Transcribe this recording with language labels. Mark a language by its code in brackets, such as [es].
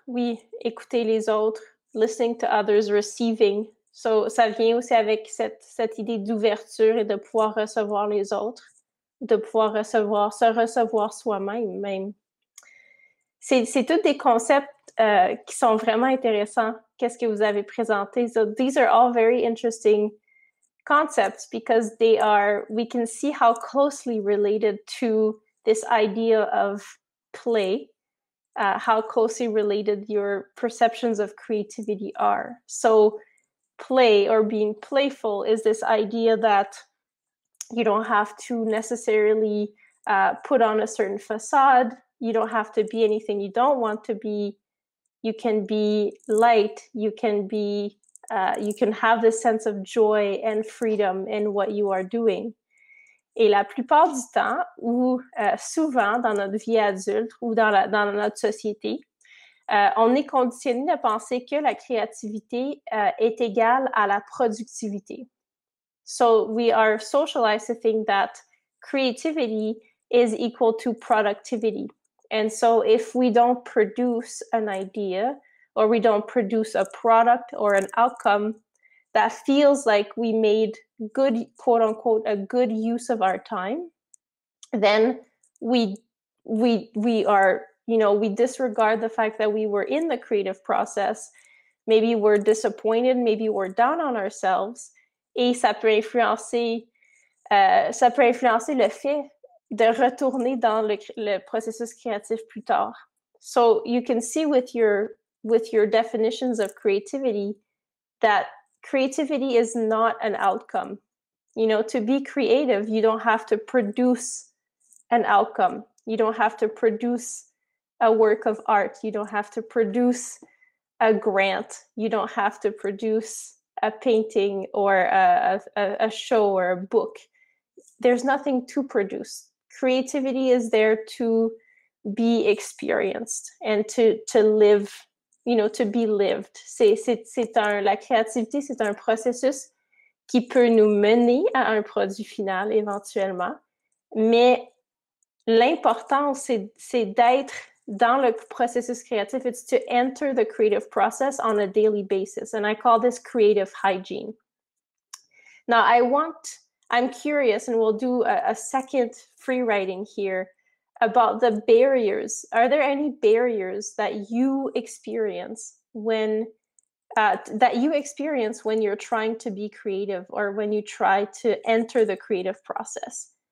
[fr] Oui, écouter les autres, [en] listening to others, receiving. [fr] So ça vient aussi avec cette idée d'ouverture et de pouvoir recevoir les autres, de pouvoir recevoir, se recevoir soi-même même. C'est tous des concepts qui sont vraiment intéressants. Qu'est-ce que vous avez présenté? [en] So these are all very interesting concepts because they are, we can see how closely related to this idea of play, how closely related your perceptions of creativity are. So play or being playful is this idea that you don't have to necessarily put on a certain facade. You don't have to be anything you don't want to be. You can be light. You can have this sense of joy and freedom in what you are doing. [fr] Et la plupart du temps, ou souvent dans notre vie adulte ou dans notre société, on est conditionné à penser que la créativité est égale à la productivité. [en] So we are socialized to think that creativity is equal to productivity. And so if we don't produce an idea or we don't produce a product or an outcome that feels like we made good, quote unquote, a good use of our time, then we are, you know, we disregard the fact that we were in the creative process. Maybe we're disappointed, maybe we're down on ourselves. [fr] Et ça peut influencer le fait de retourner dans le processus créatif plus tard. [en] So you can see with your definitions of creativity that creativity is not an outcome. You know, to be creative, you don't have to produce an outcome. You don't have to produce a work of art. You don't have to produce a grant. You don't have to produce a painting or a show or a book. There's nothing to produce. Creativity is there to be experienced and to live, you know, to be lived. [fr] La créativité, c'est un processus qui peut nous mener à un produit final éventuellement. Mais l'important, c'est d'être dans le processus créatif. [en] It's to enter the creative process on a daily basis. And I call this creative hygiene. Now, I'm curious, and we'll do a second free writing here about the barriers. Are there any barriers that you experience when you're trying to be creative or when you try to enter the creative process?